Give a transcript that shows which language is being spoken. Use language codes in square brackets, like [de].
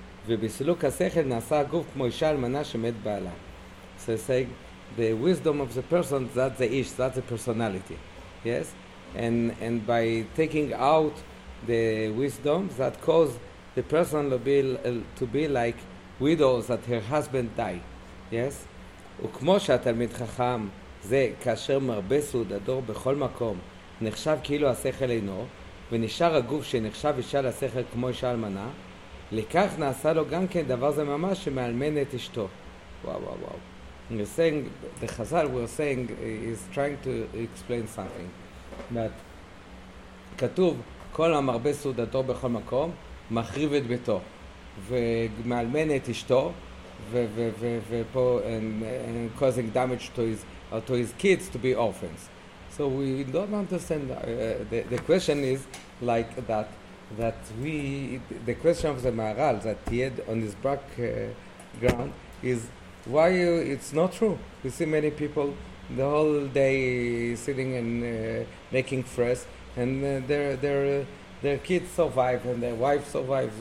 [he] ובסילוק השכל נעשה הגוף כמו אישה אלמנה שמת בעלה. [en] So it's saying the wisdom of the person, that's the ish, that's the personality. Yes? And by taking out the wisdom that caused the person to be like widows that her husband die. Yes? [he] וכמו שהתלמיד חכם זה כאשר מרבה סעודתו בכל מקום נחשב כאילו השכל אינו ונשאר הגוף שנחשב אישה לשכל כמו אישה אלמנה, לכך נעשה לו גם כן דבר זה ממש שמאלמן את אשתו. וואו. [en] We're saying, the Chazal we're saying is trying to explain something. [he] That כתוב כל המרבה סעודתו בכל מקום מחריב את ביתו ומאלמן את אשתו ופה [en] and causing damage to his kids to be orphans. So we don't understand the question is like that we the question of the Maharal that he had on his background is why you, it's not true. We see many people the whole day sitting and making fresh and their kids survive and their wife survives.